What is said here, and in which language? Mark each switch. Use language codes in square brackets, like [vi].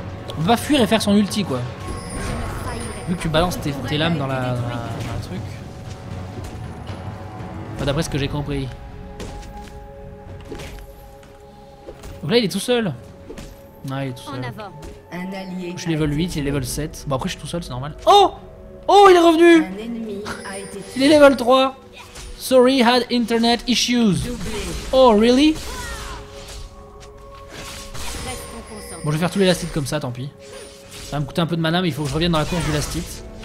[fr] On peut pas fuir et faire son ulti, quoi. Vu que tu balances tes lames dans la truc. Enfin, d'après ce que j'ai compris. Donc là, il est tout seul. Ah, il est tout seul. En avant. Je suis level 8, il est level 7. Bon, après, je suis tout seul, c'est normal. Oh! Oh, il est revenu! Il est level 3. [en] Sorry, had internet issues. Oh, really? [fr] Bon, je vais faire tous les last hits comme ça, tant pis. Ça va me coûter un peu de mana, mais il faut que je revienne dans la course du last hit.